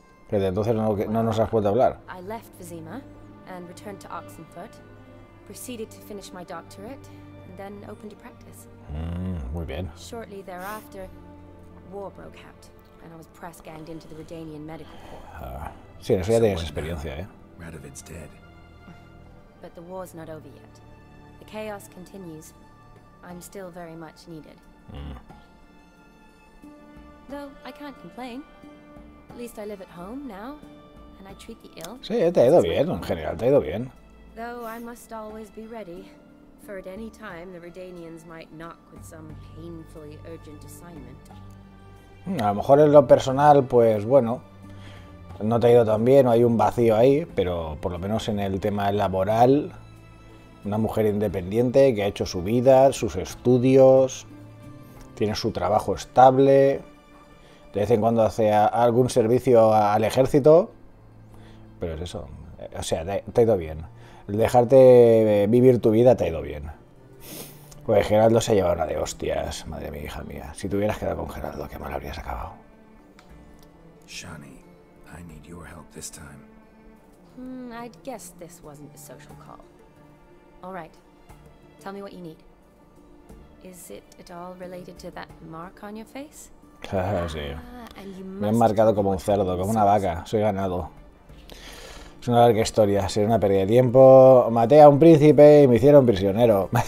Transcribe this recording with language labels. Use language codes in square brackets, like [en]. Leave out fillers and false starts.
[es] Desde entonces no nos has vuelto a hablar. [en] I left Vizima and returned to Oxenfurt, proceeded to finish my doctorate, and then opened a practice. [es] Muy bien. [en] Shortly thereafter, war broke out, and I was press ganged into the Redanian medical corps. [es] Sí, en eso ya tienes experiencia, ¿eh? [en] Radovid's dead. But the war's not over yet. The chaos continues. I'm still very much needed. Though I can't complain. At least I live at home now, and I treat the ill. [es] Sí, te ha ido bien, en general, te ha ido bien. [en] Though I must always be ready, for at any time the Redanians might knock with some painfully urgent assignment. [es] A lo mejor en lo personal, pues bueno, no te ha ido tan bien, o hay un vacío ahí, pero por lo menos en el tema laboral, una mujer independiente que ha hecho su vida, sus estudios, tiene su trabajo estable. De vez en cuando hace algún servicio al ejército. Pero es eso. O sea, te ha ido bien. El dejarte vivir tu vida te ha ido bien. Pues Geraldo se ha llevado una de hostias, madre mía, hija mía. Si te hubieras quedado con Geraldo, qué mal habrías acabado. [en] Shani, I need your help this time. I'd guess this wasn't a social call. All right. Tell me what you need. Is it at all related to that mark on your face? [es] Sí. Me han marcado como un cerdo, como una vaca. Soy ganado. Es una larga historia, sería una pérdida de tiempo. Maté a un príncipe y me hicieron prisionero.